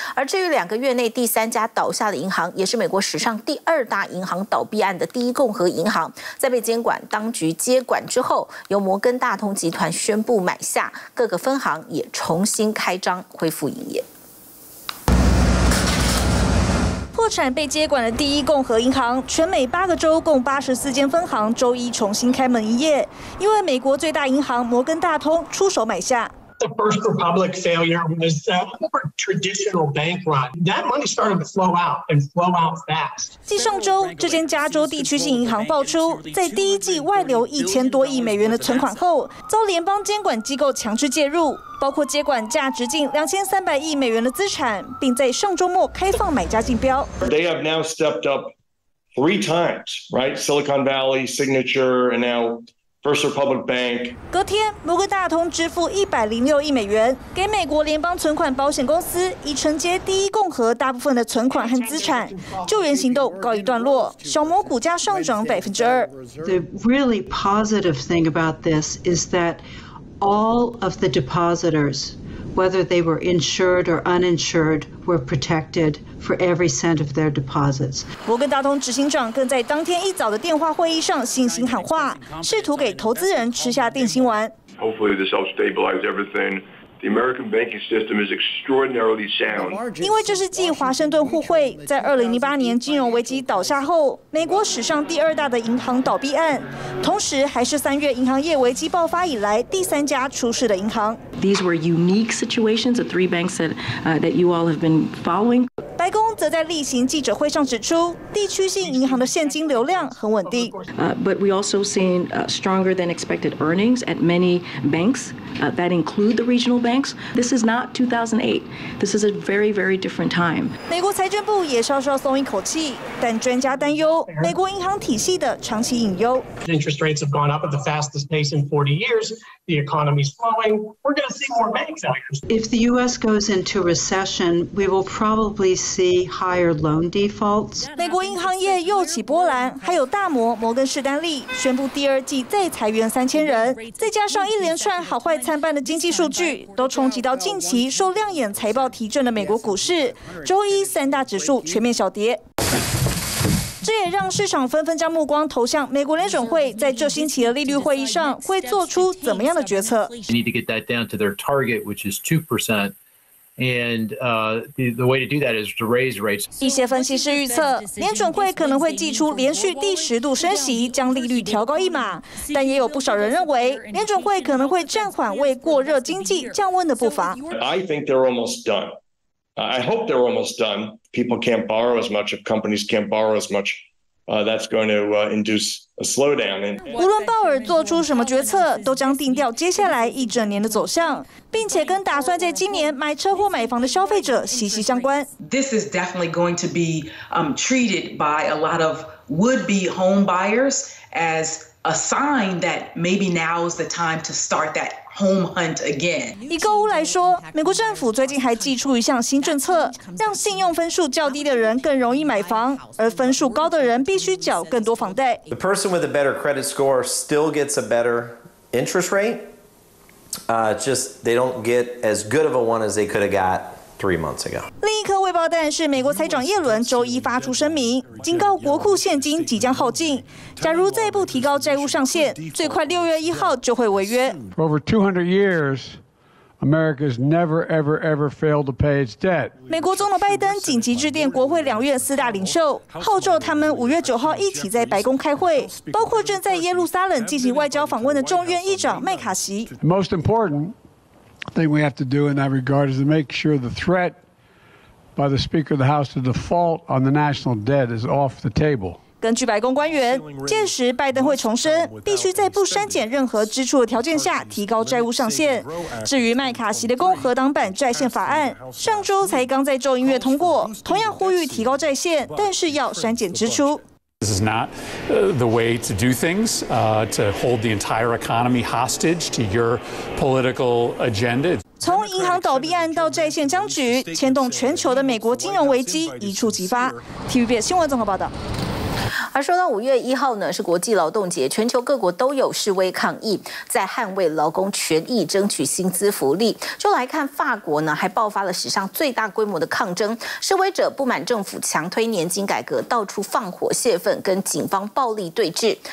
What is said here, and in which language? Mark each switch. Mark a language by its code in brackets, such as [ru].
[zh] 而至于2个月内第3家倒下的银行，也是美国史上第2大银行倒闭案的第一共和银行，在被监管当局接管之后，由摩根大通集团宣布买下，各个分行也重新开张恢复营业。破产被接管的第一共和银行，全美8个州共84间分行周一重新开门营业，因为美国最大银行摩根大通出手买下。 [en] The First Republic failure was a more traditional bank run. That money started to flow out and flow out fast. [zh] 继上周，这间加州地区性银行爆出在第一季外流1000多亿美元的存款后，遭联邦监管机构强制介入，包括接管价值近2300亿美元的资产，并在上周末开放买家竞标。 [en] They have now stepped up 3 times, right? Silicon Valley, Signature, and now. First Republic Bank. [zh] 隔天，摩根大通支付106亿美元给美国联邦存款保险公司，以承接第一共和大部分的存款和资产，救援行动告一段落。小摩股价上涨2%。 [en] The really positive thing about this is that all of the depositors, whether they were insured or uninsured, were protected. For every cent of their deposits. [zh] 摩根大通执行长更在当天一早的电话会议上信心喊话，试图给投资人吃下定心丸。 [en] Hopefully, this helps stabilize everything. The American banking system is extraordinarily sound. [zh] 因为这是继华盛顿互惠在2008年金融危机倒下后，美国史上第2大的银行倒闭案，同时还是3月银行业危机爆发以来第3家出事的银行。 [en] These were unique situations. The 3 banks that you all have been following. [zh] 白宫则在例行记者会上指出，地区性银行的现金流量很稳定。 [en] But we also seen stronger than expected earnings at many banks that include the regional banks. This is not 2008. This is a very, very different time. [zh] 美国财政部也稍稍松一口气，但专家担忧美国银行体系的长期隐忧。 [en] Interest rates have gone up at the fastest pace in 40 years. The economy's slowing. We're going to see more bank failures. If the U.S. goes into recession, we will probably. See higher loan defaults. [zh] 美国银行业又起波澜，还有大摩摩根士丹利宣布第2季再裁员3000人，再加上一连串好坏参半的经济数据，都冲击到近期受亮眼财报提振的美国股市。周一3大指数全面小跌。这也让市场纷纷将目光投向美国联准会在这星期的利率会议上会做出怎么样的决策。 [en] They need to get that down to their target, which is 2%. And the way to do that is to raise rates. [zh] 一些分析师预测，联准会可能会祭出连续第十度升息，将利率调高一码。但也有不少人认为，联准会可能会暂缓为过热经济降温的步伐。 [en] I think they're almost done. I hope they're almost done. People can't borrow as much. If companies can't borrow as much, that's going to induce a slowdown. [zh] 无论鲍尔做出什么决策，都将定调接下来一整年的走向。并且跟打算在今年买车或买房的消费者息息相关。 [en] This is definitely going to be treated by a lot of would-be home buyers as a sign that maybe now is the time to start that home hunt again. [zh] 以购物来说，美国政府最近还祭出一项新政策，让信用分数较低的人更容易买房，而分数高的人必须缴更多房贷。 [en] The person with a better credit score still gets a better interest rate. Just they don't get as good of a one as they could have got three months ago. [zh] 另一颗未爆弹是美国财长耶伦周一发出声明，警告国库现金即将耗尽。假如再不提高债务上限，最快六月一号就会违约。 [en] For over 200 years, America has never, ever, ever failed to pay its debt. [zh] 美国总统拜登紧急致电国会两院四大领袖，号召他们五月九号一起在白宫开会，包括正在耶路撒冷进行外交访问的众院议长麦卡锡。 [en] Most important thing we have to do in that regard is to make sure the threat by the Speaker of the House to default on the national debt is off the table. [zh] 根据白宫官员，届时拜登会重申，必须在不删减任何支出的条件下提高债务上限。至于麦卡锡的共和党版债限法案，上周才刚在众议院通过，同样呼吁提高债限，但是要删减支出。 [en] This is not the way to do things, to hold the entire economy hostage to your political agenda. [zh] 从银行倒闭案到债券僵局，牵动全球的美国金融危机一触即发。 TVB 新闻综合报道。而说到五月一号呢，是国际劳动节，全球各国都有示威抗议，在捍卫劳工权益，争取薪资福利。就来看法国呢，还爆发了史上最大规模的抗争，示威者不满政府强推年金改革，到处放火泄愤，跟警方暴力对峙。